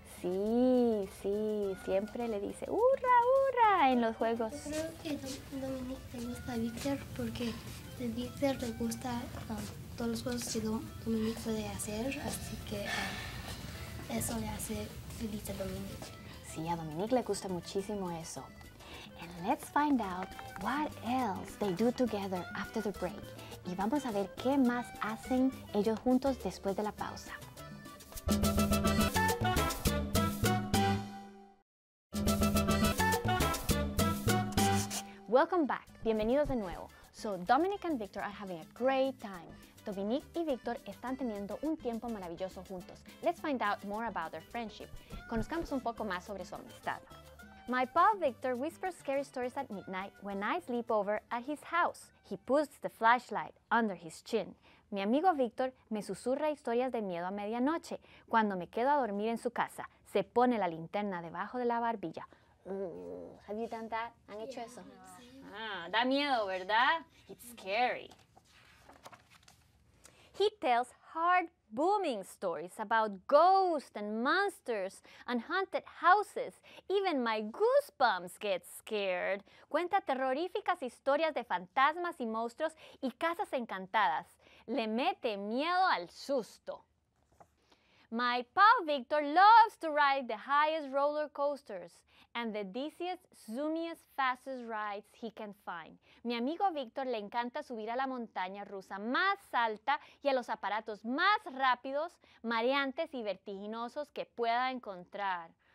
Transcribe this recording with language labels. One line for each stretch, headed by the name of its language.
Spanish: Sí, sí, siempre le dice hurra, hurra en los juegos. Yo creo que Dominic le gusta a Victor porque a Victor le gusta todos los juegos que Dominic puede hacer, así que eso le hace feliz a Dominic. Sí, a Dominic le gusta muchísimo eso.
English: And let's find out what else they do together after the break.
Spanish: Y vamos a ver qué más hacen ellos juntos después de la pausa.
English: Welcome back.
Spanish: Bienvenidos de nuevo.
English: So Dominic and Victor are having a great time.
Spanish: Dominic y Victor están teniendo un tiempo maravilloso juntos.
English: Let's find out more about their friendship.
Spanish: Conozcamos un poco más sobre su amistad.
English: My pal Victor whispers scary stories at midnight when I sleep over at his house. He puts the flashlight under his chin.
Spanish: Mi amigo Victor me susurra historias de miedo a medianoche cuando me quedo a dormir en su casa. se pone la linterna debajo de la barbilla.
English: Have you done that?
Spanish: ¿Han hecho eso? Ah, da miedo, ¿verdad?
English: It's scary. He tells hard booming stories about ghosts and monsters and haunted houses. Even my goosebumps get scared.
Spanish: Cuenta terroríficas historias de fantasmas y monstruos y casas encantadas. Le mete miedo al susto.
English: My pal Victor loves to ride the highest roller coasters and the dizziest, zoomiest, fastest rides he can find.
Spanish: Mi amigo Victor le encanta subir a la montaña rusa más alta y a los aparatos más rápidos, mareantes y vertiginosos que pueda encontrar.